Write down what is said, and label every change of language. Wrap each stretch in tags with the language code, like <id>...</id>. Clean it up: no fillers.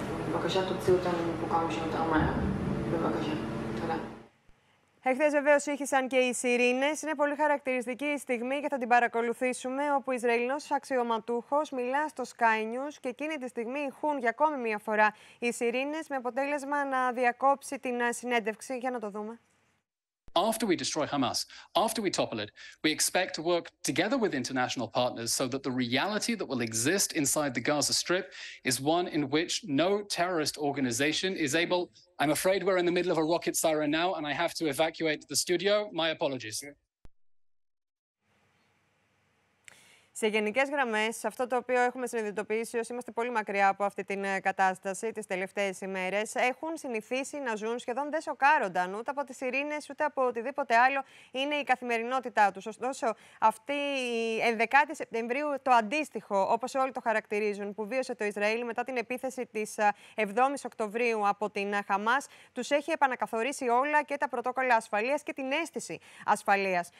<he>בבקשה תוציאו אותנו מפה כמה שיותר מהר. בבקשה.</he> <el>Εχθές βεβαίως ήχησαν και οι σιρήνες. Είναι πολύ χαρακτηριστική η στιγμή και θα την παρακολουθήσουμε, όπου ο Ισραηλινός αξιωματούχος μιλά στο Sky News και εκείνη τη στιγμή ηχούν για ακόμη μία φορά οι σιρήνες, με αποτέλεσμα να διακόψει την συνέντευξη. Για να το δούμε.</el> <en>after we destroy Hamas, after we topple it, we expect to work together with international partners so that the reality that will exist inside the Gaza Strip is one in which no terrorist organization is able... I'm afraid we're in the middle of a rocket siren now and I have to evacuate the studio. My apologies.</en> <el>Σε γενικές γραμμές, αυτό το οποίο έχουμε συνειδητοποιήσει όσοι είμαστε πολύ μακριά από αυτή την κατάσταση τις τελευταίες ημέρες, έχουν συνηθίσει να ζουν σχεδόν δεν σοκάρονταν ούτε από τις σιρήνες ούτε από οτιδήποτε άλλο είναι η καθημερινότητά τους. Ωστόσο, αυτή η 11η Σεπτεμβρίου, το αντίστοιχο, όπως όλοι το χαρακτηρίζουν, που βίωσε το Ισραήλ μετά την επίθεση της 7ης Οκτωβρίου από την Χαμάς, τους έχει επανακαθορίσει όλα και τα πρωτόκολλα ασφαλείας και την αίσθηση ασφαλείας.</el>